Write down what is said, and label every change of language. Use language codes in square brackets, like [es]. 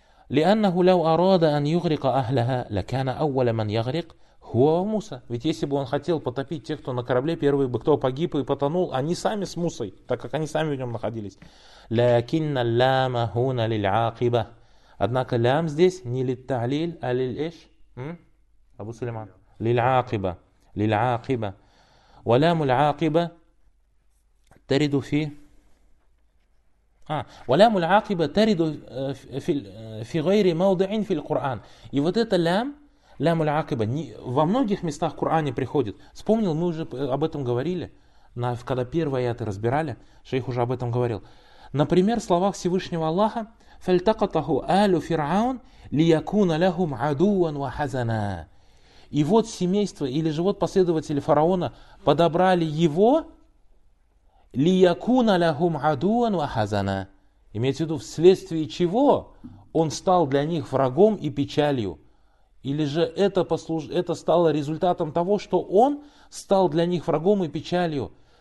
[ar] لِأَنَّهُ لَوْ أَرَادَ أَنْ يُغْرِقَ أَهْلَهَا لَكَانَ أَوَّلَ مَنْ يَغْرِقْ هُوَ مُوسَى. [ru] Ведь если бы он хотел потопить тех, кто на корабле, первый бы кто погиб и потонул, они сами с Мусой, так как они сами в нем находились. [ar] لَكِنَّ اللَّامَ هُنَ لِلْعَاقِبَةِ. [ru] Однако лям здесь не للتعليل, а للإيش? [ar] Абу Сулейман. للعاقبه. للعاقبه. وَلَامُ الْعَاقِبَةِ تَرِدُ فِي ولام العاقبة ترد في غير موضع في القرآن. [ru] И вот это лям, лям العاقبة, во многих местах в Коране приходит. Вспомнил, мы уже об этом говорили, когда первые аяты разбирали, шейх уже об этом говорил. Например, в словах Всевышнего Аллаха, [ar] فَالْتَقَطَهُ آلُ فِرْعَوْنَ لِيَكُونَ لَهُمْ عَدُوًا وَحَزَنًا. [ru] И вот семейство, или же вот последователи фараона подобрали его, [ar] لِيَكُونَ لَهُمْ عَدُوًا وَحَزَنًا. [ru] Имеется в виду, вследствие чего он стал для них врагом и печалью. Или же это стало результатом того, что он стал для них врагом и печалью.